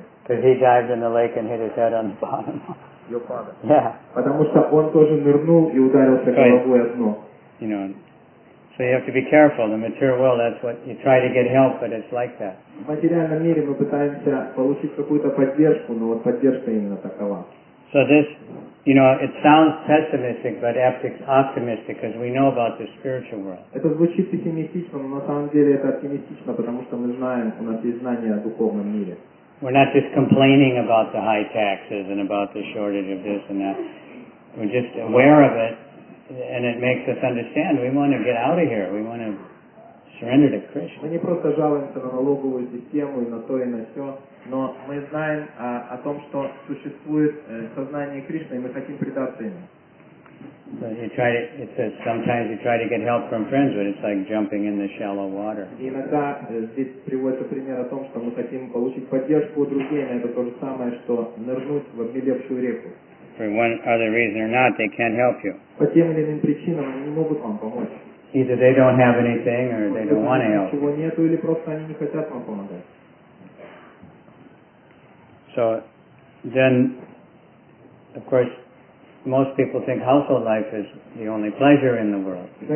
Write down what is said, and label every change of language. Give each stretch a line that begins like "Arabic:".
English: Because he dived in the lake and hit his head on the bottom. Your father. Yeah.
Russian: Потому что он тоже нырнул и ударился головой о дно.
English: You know, so you have to be careful. The material world, that's what you try to get help, but it's like that.
Russian: В материальном мире мы пытаемся получить какую-то поддержку, но вот поддержка именно такова.
English: So this, you know, it sounds pessimistic, but optimistic, because we know about the spiritual world.
Russian: Это звучит пессимистично, но на самом деле это оптимистично, потому что мы знаем, у нас есть знания о духовном мире.
English: We're not just complaining about the high taxes and about the shortage of this and that. We're just aware of it, and it makes us understand. We want to get out of here. We want to surrender to Krishna.
Russian: Мы не просто жалуемся на налоговую систему и на то и на все. Но мы знаем о том, что существует сознание Кришны, и мы хотим предаться ему.
English: So you try to, it says sometimes you try to get help from friends, but it's like jumping in the shallow water.
Russian: И иногда здесь приводится пример о том, что мы хотим получить поддержку у друзей, но это то же самое, что нырнуть в обмелевшую реку.
English: For one other reason or not, they can't help you.
Russian: По тем или иным причинам они не могут вам помочь.
English: Either they don't have anything or they don't want to help.
Russian: Ничего нету или просто они не хотят вам помогать.
English: So then, of course, most people think household life is the only pleasure in the world.